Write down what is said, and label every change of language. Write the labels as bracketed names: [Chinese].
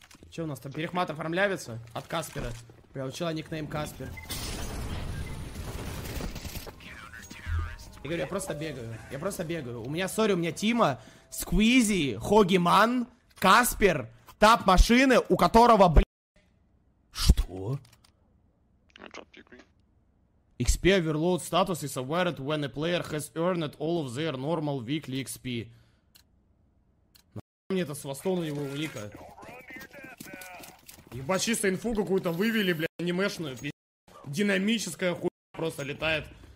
[Russian] Че у нас там, перехват оформляется? От Каспера. Бля, у человека никнейм Каспер. Я говорю, я просто бегаю, я просто бегаю. У меня, сори, у меня Тима, Сквизи, Хогиман, Каспер, Тап Машины, у которого, блядь... Что? [English] XP overload status is awarded when a player has earned all of their normal weekly XP. [Russian] Нахуй мне это с востона его уника. Ебать, чисто инфу какую-то вывели, бля, анимешную, пиздец. Динамическая хуйня просто летает.